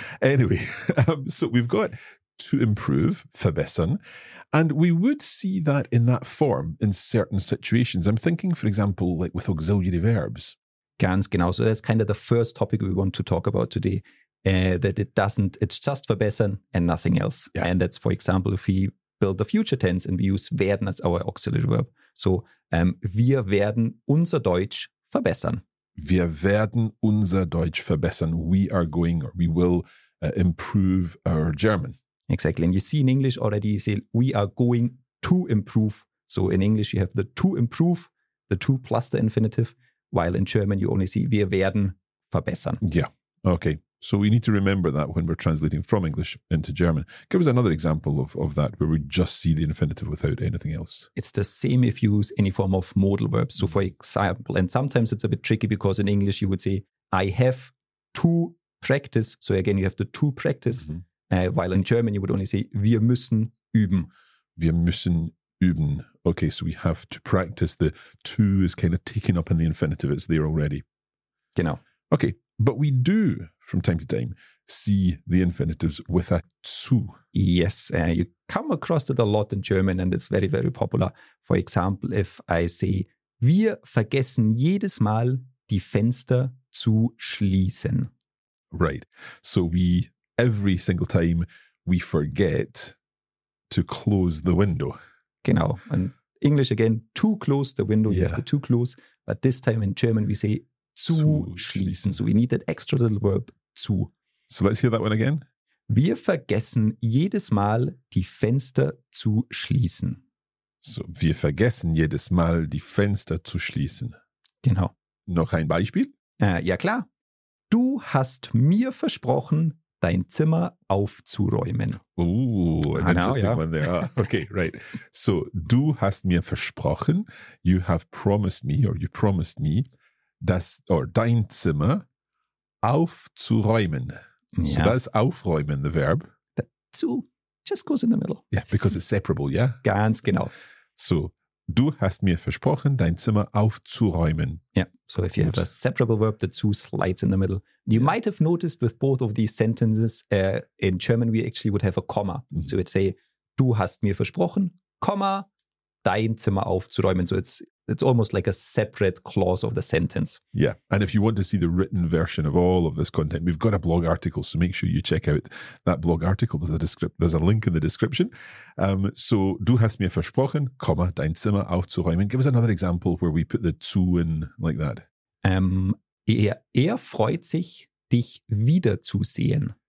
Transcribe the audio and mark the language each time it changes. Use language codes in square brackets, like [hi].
[en] Anyway, so we've got to improve, verbessern, and we would see that in that form in certain situations. I'm thinking, for example, like with auxiliary verbs. [de] Ganz genau. [en] So that's kind of the first topic we want to talk about today, that it doesn't, it's just verbessern and nothing else. Yeah. And that's, for example, if we build the future tense and we use werden as our auxiliary verb. [de] So wir werden unser Deutsch verbessern. Wir werden unser Deutsch verbessern. [en] We are going, or we will improve our German. Exactly. And you see in English already, you say, we are going to improve. So in English, you have the to improve, the to plus the infinitive, while in German, you only see [de] wir werden verbessern. [en] Yeah. Okay. So we need to remember that when we're translating from English into German. Give us another example of that, where we just see the infinitive without anything else. It's the same if you use any form of modal verbs. So for example, and sometimes it's a bit tricky because in English you would say, I have to practice. So again, you have the to practice. While in German, you would only say, [de] wir müssen üben. Wir müssen üben. [en] Okay, so we have to practice. The to is kind of taken up in the infinitive. It's there already. [de] Genau. [en] Okay, but we do, from time to time, see the infinitives with a zu. Yes, you come across it a lot in German and it's very, very popular. For example, if I say, [de] wir vergessen jedes Mal die Fenster zu schließen. [en] Right, so we, every single time, we forget to close the window. Genau, and English again, to close the window, you have to close. But this time in German we say, [de] zu schließen. [en] So we need that extra little verb zu. So let's hear that one again. [de] Wir vergessen jedes Mal die Fenster zu schließen. So wir vergessen jedes Mal die Fenster zu schließen. Genau. Noch ein Beispiel? Ja klar. Du hast mir versprochen, dein Zimmer aufzuräumen. [en] Oh, an interesting one there. Okay, right. So [de] du hast mir versprochen, [en] you have promised me or you promised me, das, or [de] dein Zimmer, aufzuräumen. [en] Yeah. So that's aufräumen, the verb. That zu just goes in the middle. Yeah, because it's separable, yeah? [de] Ganz genau. [en] So [de] Du hast mir versprochen, dein Zimmer aufzuräumen. [en] Yeah. So if you have a separable verb, the two slides in the middle. You might have noticed with both of these sentences, in German, we actually would have a comma. Mm-hmm. So it'd say, [de] du hast mir versprochen, comma, dein Zimmer aufzuräumen. [en] So it's almost like a separate clause of the sentence. Yeah. And if you want to see the written version of all of this content, we've got a blog article. So make sure you check out that blog article. There's a link in the description. [de] So du hast mir versprochen, comma, dein Zimmer aufzuräumen. [en] Give us another example where we put the zu in like that. [de] Er freut sich, dich wiederzusehen.